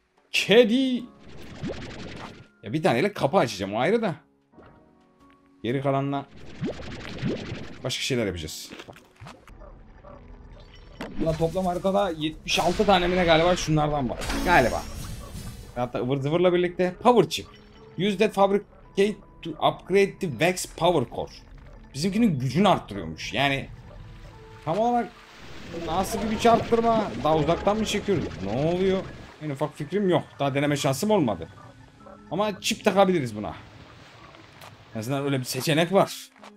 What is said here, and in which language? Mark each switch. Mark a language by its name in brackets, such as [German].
[Turkish] Kedi. Ya bir taneyle kapı açacağım. O ayrı da. Geri kalanla başka şeyler yapacağız. Bunlar toplam haritada 76 tane mi ne galiba şunlardan var. Galiba. Hatta ıvır zıvırla birlikte. [English] Power chip. Use that fabricate to upgrade the Vex power core. [Turkish] Bizimkinin gücünü arttırıyormuş. Yani tam olarak nasıl bir güç arttırma? Daha uzaktan mı çekiyoruz? Ne oluyor? En ufak fikrim yok. Daha deneme şansım olmadı. Ama çip takabiliriz buna. En azından öyle bir seçenek var.